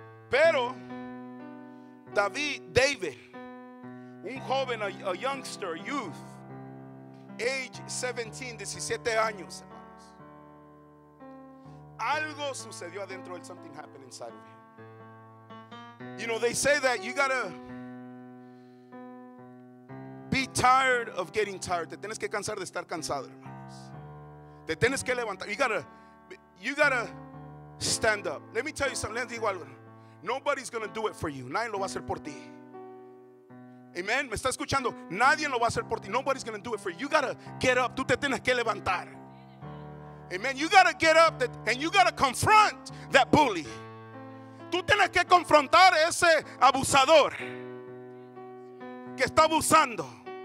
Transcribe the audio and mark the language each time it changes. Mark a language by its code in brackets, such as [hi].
[es] Pero David, un joven, [en] a youngster, youth, age 17, [es] 17 años, hermanos. Algo sucedió adentro de él. [en] Something happened inside of him. You know, they say that you gotta be tired of getting tired. [es] Te tienes que cansar de estar cansado, hermanos. Te tienes que levantar. [en] You gotta stand up. Let me tell you something. [es] Les digo algo. [en] Nobody's gonna do it for you. [es] Nadie lo va a hacer por ti. Amen. Me está escuchando. Nadie lo va a hacer por ti. [en] Nobody's gonna do it for you. You gotta get up. [es] Tú te tienes que levantar. [en] Amen. You gotta get up and you gotta confront that bully. [es] Tú tienes que confrontar ese abusador que está abusando.